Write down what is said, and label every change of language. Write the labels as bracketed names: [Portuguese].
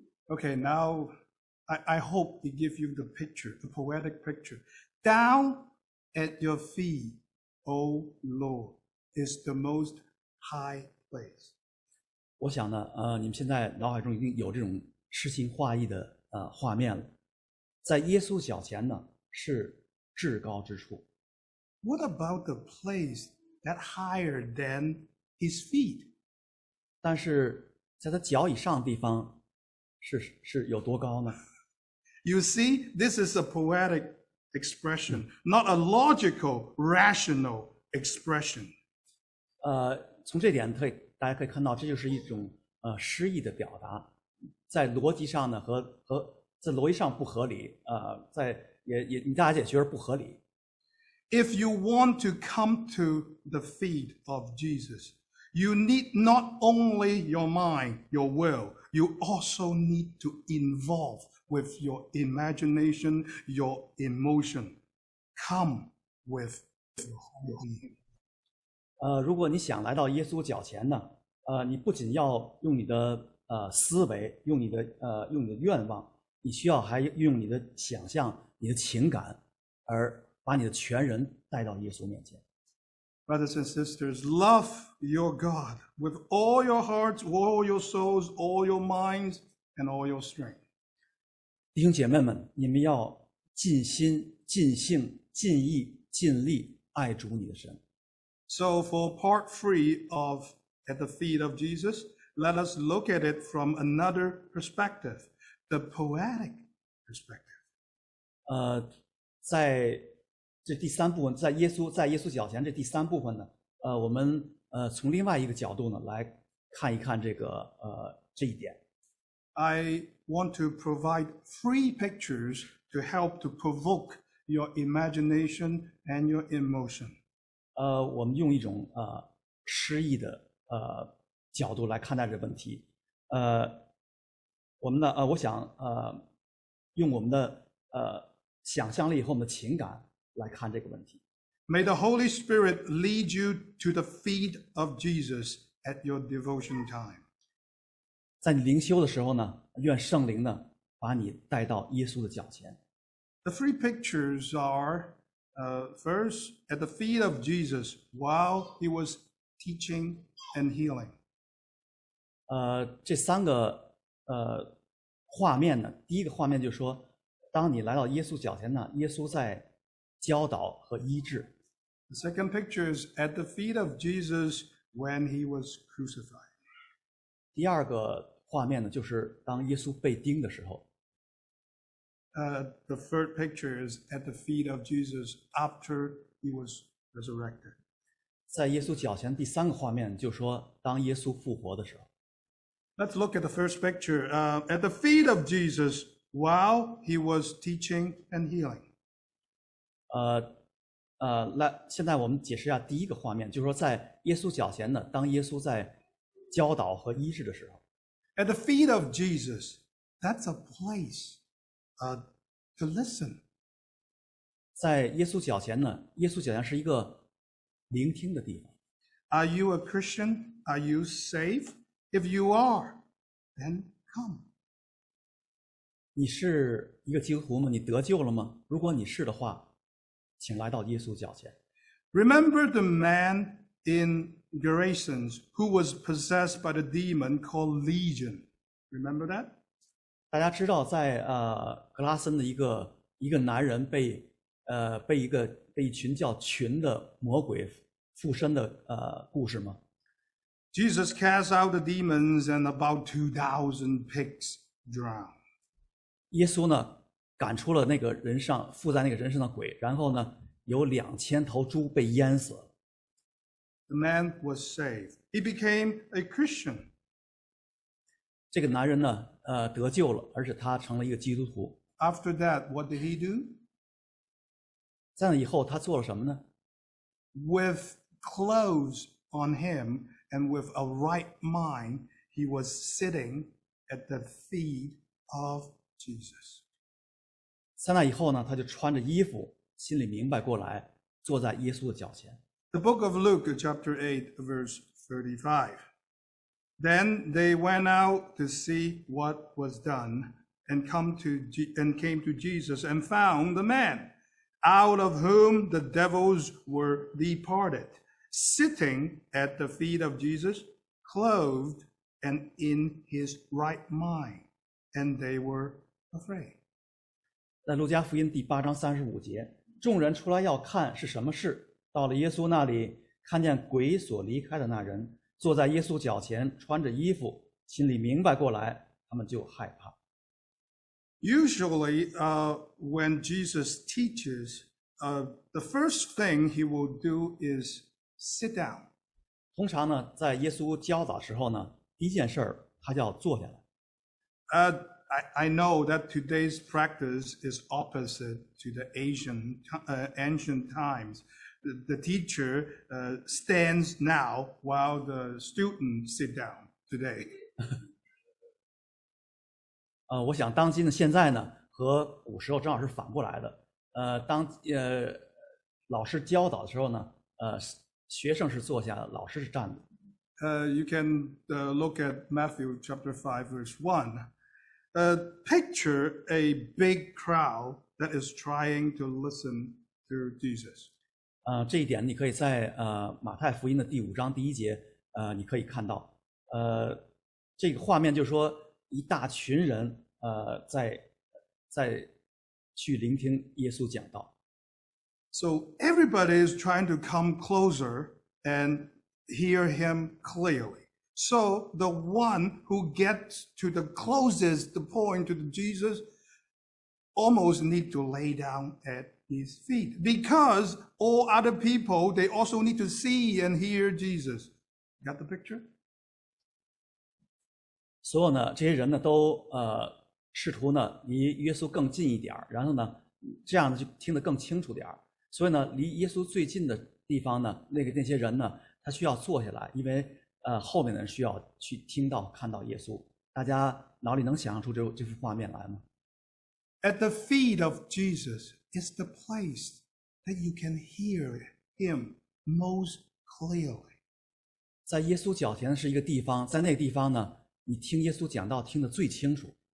[English] Okay, now I hope to give you the picture, the poetic picture. Down at your feet, O Lord, is the most high place. [Chinese] 我想呢，你们现在脑海中已经有这种诗情画意的画面了。在耶稣脚前呢，是至高之处。 [English] What about the place that higher than his feet? [Chinese] 但是在他脚以上的地方。是有多高呢？ [English] You see, this is a poetic expression, not a logical, rational expression. [Chinese] 从这点大家可以看到，这就是一种诗意的表达，在逻辑上呢和在逻辑上不合理，在也大家也觉得不合理。 [English] If you want to come to the feet of Jesus, you need not only your mind, your will, you also need to involve with your imagination, your emotion. Come with your being. [Chinese] 如果你想来到耶稣脚前呢，你不仅要用你的思维，用你的用你的愿望，你需要还用你的想象，你的情感，而把你的全人带到耶稣面前。 [English] Brothers and sisters, love your God with all your hearts, all your souls, all your minds, and all your strength. [Chinese] 弟兄姐妹们，你们要尽心、尽性、尽意、尽力爱主你的神。 [English] So for part three of At the Feet of Jesus, let us look at it from another perspective, the poetic perspective. [Chinese] 在这第三部分，在耶稣脚前这第三部分呢，我们从另外一个角度呢来看一看这个这一点。 [English] I want to provide three pictures to help to provoke your imagination and your emotion. [Chinese] 我们用一种诗意的角度来看待这个问题。我们呢我想用我们的想象力和我们的情感来看这个问题。 [English] May the Holy Spirit lead you to the feet of Jesus at your devotion time. [Chinese] 在你灵修的时候呢，愿圣灵呢把你带到耶稣的脚前。 [English] The three pictures are, first at the feet of Jesus while he was teaching and healing. [Chinese] 这三个画面呢，第一个画面就是说，当你来到耶稣脚前呢，耶稣在教导和医治。 [English] The second picture is at the feet of Jesus when he was crucified. [Chinese] 第二个画面呢，就是当耶稣被钉的时候。 [English] The third picture is at the feet of Jesus after he was resurrected. [Chinese] 在耶稣脚前第三个画面就是说当耶稣复活的时候。 [English] Let's look at the first picture. At the feet of Jesus while he was teaching and healing. [Chinese] 来现在我们解释一下第一个画面，就是说在耶稣脚前呢，当耶稣在教导和医治的时候。 [English] At the feet of Jesus, that's a place, to listen. [Chinese] 在耶稣脚前呢，耶稣脚前是一个聆听的地方。 [English] Are you a Christian? Are you safe? If you are, then come. [Chinese] 你是一个基督徒吗？你得救了吗？如果你是的话，请来到耶稣脚前。 [English] Remember the man in Gerasenes who was possessed by the demon called Legion. Remember that? [Chinese] 大家知道在格拉森的一个男人被一群叫群的魔鬼附身的故事吗？ [English] Jesus cast out the demons and about 2,000 pigs drowned. [Chinese] 耶稣呢赶出了那个人上附在那个人上的鬼，然后呢有2000头猪被淹死了。 [English] The man was saved. He became a Christian. [Chinese] 这个男人呢得救了，而且他成了一个基督徒。 [English] After that, what did he do? [Chinese] 在那以后他做了什么呢？ [English] With clothes on him and with a right mind, he was sitting at the feet of Jesus. [Chinese] 在那以后呢，他就穿着衣服，心里明白过来，坐在耶稣的脚前。 [English] The book of Luke, chapter 8, verse 35. Then they went out to see what was done and came to Jesus and found the man. Out of whom the devils were departed, sitting at the feet of Jesus, clothed and in his right mind, and they were afraid. [Chinese] 在路加福音第八章三十五节，众人出来要看是什么事，到了耶稣那里，看见鬼所离开的那人坐在耶稣脚前，穿着衣服，心里明白过来，他们就害怕。 [English] Usually, when Jesus teaches, the first thing he will do is sit down. [Chinese] 通常呢，在耶稣教导时候呢，第一件事儿他他就要坐下来。 [English] I know that today's practice is opposite to the ancient times. The teacher stands now while the student sit down today. [Chinese] 我想当今的现在呢，和古时候正好是反过来的。当老师教导的时候呢，学生是坐下，老师是站的。 [English] You can look at Matthew chapter 5 verse 1. Picture a big crowd that is trying to listen to Jesus. [Chinese] 这一点你可以在马太福音的第五章第一节你可以看到。这个画面就是说一大群人在去聆听耶稣讲道。 [English] So everybody is trying to come closer and hear him clearly. So the one who gets to the closest point to Jesus almost need to lay down at his feet because all other people, they also need to see and hear Jesus. Got the picture? [Chinese] 所有呢这些人呢都试图呢离耶稣更近一点，然后呢这样就听得更清楚点。所以呢离耶稣最近的地方呢那些人呢他需要坐下来，因为后面的人需要去听到看到耶稣。大家脑里能想象出这幅画面来吗？ [English] At the feet of Jesus is the place that you can hear him most clearly. [Chinese] 在耶稣脚前是一个地方，在那个地方呢你听耶稣讲道听得最清楚。